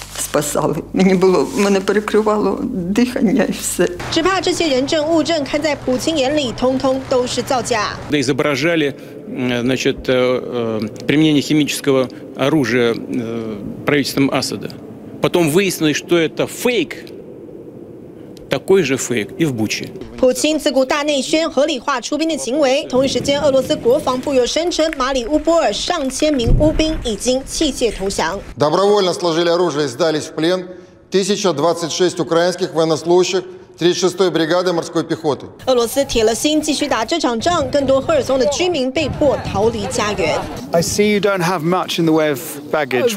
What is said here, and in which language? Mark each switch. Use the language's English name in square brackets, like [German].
[Chinese] 只怕这些人证物证看在普京眼里，通通都是造假。 [Russian] Изображали, значит, применение химического оружия правительством Асада. Потом выяснилось, что это фейк. такой же фейк и в Буче. [Chinese] 普京自古大内宣合理化出兵的行为，同一时间俄罗斯国防部又声称马里乌波尔上千名乌兵已经弃械投降。 [Russian] Добровольно сложили оружие и сдались в плен 1026 украинских военнослужащих 36-й бригады морской пехоты. [Chinese] 俄罗斯铁了心继续打这场仗，更多赫尔松的居民被迫逃离家园。 [English] I see you don't have much in the way of baggage.